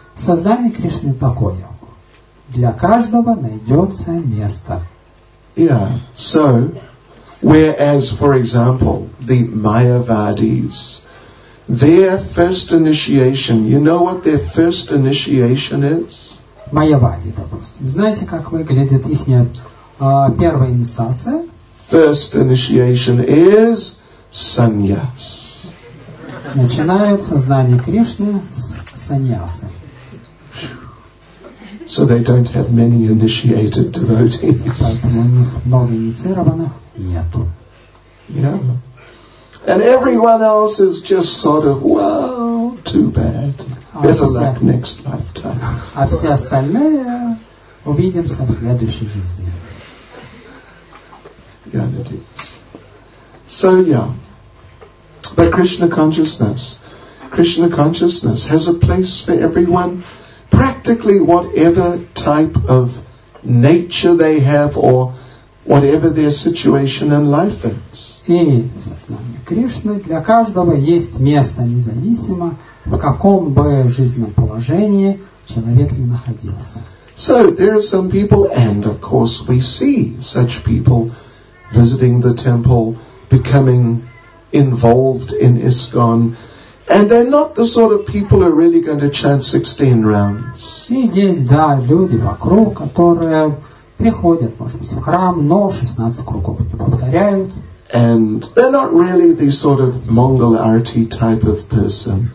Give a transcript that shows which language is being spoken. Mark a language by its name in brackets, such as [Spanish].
[Russian] Сознание Кришны такое. Для каждого найдется место. [English] Yeah. So, whereas, for example, the Mayavadis, their first initiation, you know what their first initiation is? [Russian] Майявади, допустим. Знаете, как выглядит их первая инициация? [English] First initiation is sannyas. [Russian] Начинается знание Кришны с саньясы. [English] So they don't have many initiated devotees. [Russian] Поэтому у них много инициированных нету. [English] Yeah. And everyone else is just sort of, well, too bad. Better luck next lifetime. [Russian] А все остальные увидимся в следующей жизни. [English] Yeah, it is. So yeah. But Krishna consciousness has a place for everyone. Practically whatever type of nature they have or whatever their situation in life is. [Russian] И сознание Кришны для каждого есть место, независимо в каком бы жизненном положении человек ни находился. [English] So there are some people, and of course we see such people visiting the temple, becoming involved in ISKCON. And they're not the sort of people who are really going to chant 16 rounds. [Russian] И есть, да, люди вокруг, которые приходят, может быть, в храм, но 16 кругов не повторяют. [English] And they're not really the sort of Mongol RT type of person.